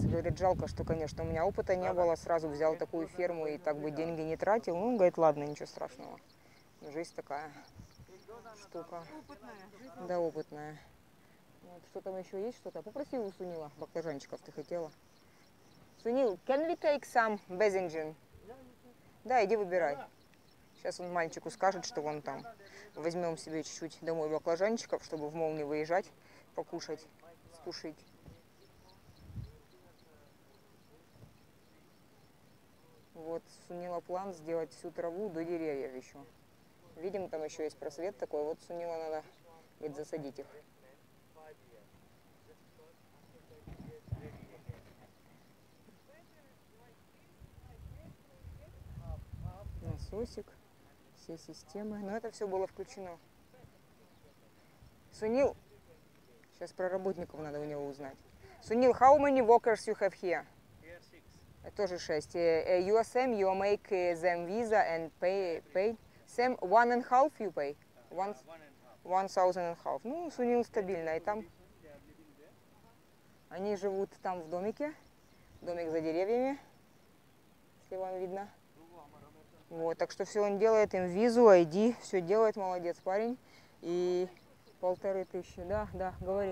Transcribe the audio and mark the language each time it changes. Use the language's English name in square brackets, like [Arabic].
[Russian] Говорит, жалко, что, конечно, у меня опыта не было, сразу взял такую ферму и так бы деньги не тратил. Ну, он говорит, ладно, ничего страшного. Жизнь такая штука. Опытная. Да, опытная. Вот, что там еще есть, что-то? Попроси у Сунила, баклажанчиков ты хотела. [English] Сунил, can we take some basingen? [Russian] Да, иди выбирай. Сейчас он мальчику скажет, что вон там. Возьмем себе чуть-чуть домой баклажанчиков, чтобы в мол не выезжать, покушать, скушать. Вот Сунила план сделать всю траву до деревьев еще. Видим, там еще есть просвет такой. Вот Сунила надо ведь засадить их. Насосик, все системы, но это все было включено. Сунил, сейчас про работников надо у него узнать. [English] Сунил, how many workers you have here? Here six. [Russian] Тоже шесть. [English] You are same, you make them visa and pay. Same, one and half you pay? One thousand and half. [Russian] Ну, Сунил стабильно, и там... Они живут там в домике, домик за деревьями, если вам видно. Вот, так что все он делает, им визу, ID, все делает, молодец парень. И 1500, да, говори.